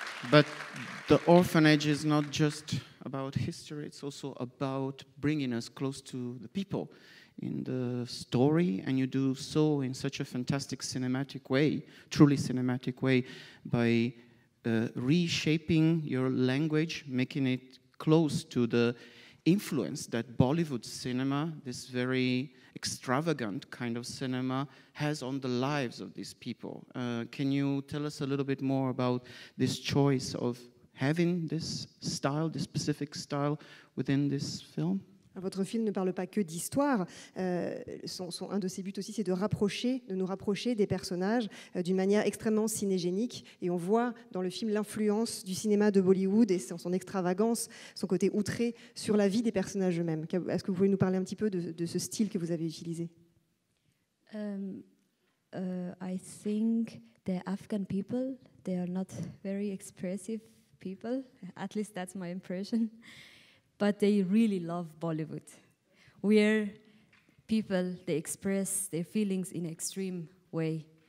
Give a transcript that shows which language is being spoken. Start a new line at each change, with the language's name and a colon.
English: But the orphanage is not just about history, it's also about bringing us close to the people in the story, and you do so in such a fantastic cinematic way, truly cinematic way, by reshaping your language, making it close to the influence that Bollywood cinema, this very extravagant kind of cinema, has on the lives of these people. Can you tell us a little bit more about this choice of having this style, this specific style within this film?
French: Votre film ne parle pas que d'histoire. Un de ses buts aussi, c'est de nous rapprocher des personnages d'une manière extrêmement cinégénique. Et on voit dans le film l'influence du cinéma de Bollywood et son extravagance, son côté outré sur la vie des personnages eux-mêmes. Est-ce que vous pouvez nous parler un petit peu de ce style que vous avez utilisé?
English: I think the Afghan people, they are not very expressive people. At least that's my impression. But they really love Bollywood, where people, they express their feelings in an extreme way.